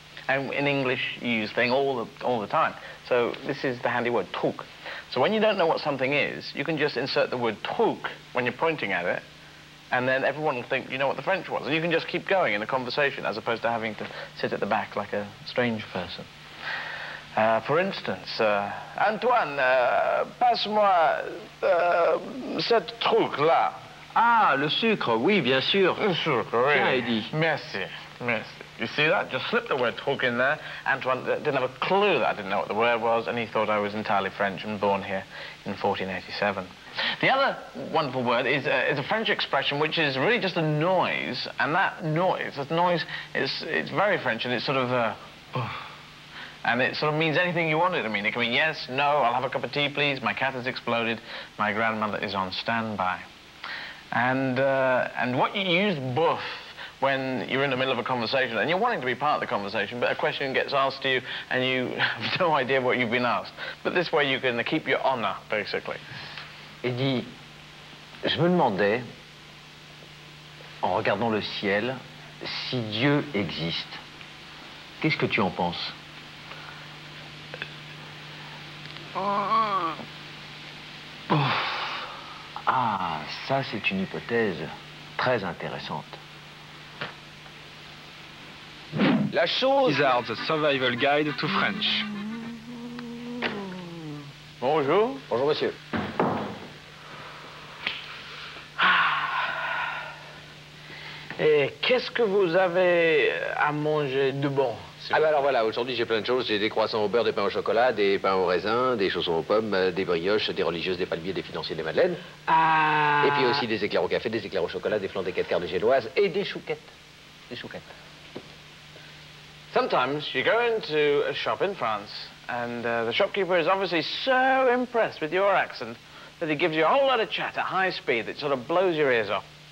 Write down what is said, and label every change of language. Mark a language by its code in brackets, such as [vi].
[en] And in English, you use thing all the time. So this is the handy word, truc. So when you don't know what something is, you can just insert the word truc when you're pointing at it, and then everyone will think you know what the French was. And you can just keep going in a conversation as opposed to having to sit at the back like a strange person. For instance, [fr] Antoine, passe-moi cette truc-là. Ah, le sucre, oui, bien sûr. Le sucre, oui. Bien, Eddie. Merci, merci. [en] You see that? Just slipped the word truc in there. Antoine didn't have a clue that I didn't know what the word was, and he thought I was entirely French and born here in 1487. The other wonderful word is a French expression, which is really just a noise, and that noise is very French, and it's sort of and it sort of means anything you want it to mean. It can mean yes, no, I'll have a cup of tea, please, my cat has exploded, my grandmother is on standby. And what you use, bouf, when you're in the middle of a conversation, and you're wanting to be part of the conversation, but a question gets asked to you, and you have no idea what you've been asked. But this way you can keep your honor, basically. [fr] Eddie, je me demandais, en regardant le ciel, si Dieu existe. Qu'est-ce que tu en penses? Ah, ça c'est une hypothèse très intéressante. La chose... [en] Izzard, the survival guide to French. [fr] Bonjour. Bonjour, monsieur. Et qu'est-ce que vous avez à manger de bon? Ah ben alors voilà, aujourd'hui j'ai plein de choses. J'ai des croissants au beurre, des pains au chocolat, des pains au raisin, des chaussons aux pommes, des brioches, des religieuses, des palmiers, des financiers, des madeleines. Ah. Et puis aussi des éclairs au café, des éclairs au chocolat, des flans, des 4 quarts de génoise et des chouquettes. Des chouquettes. [en] Sometimes you go into a shop in France and the shopkeeper is obviously so impressed with your accent that he gives you a whole lot of chat at high speed that sort of blows your ears off.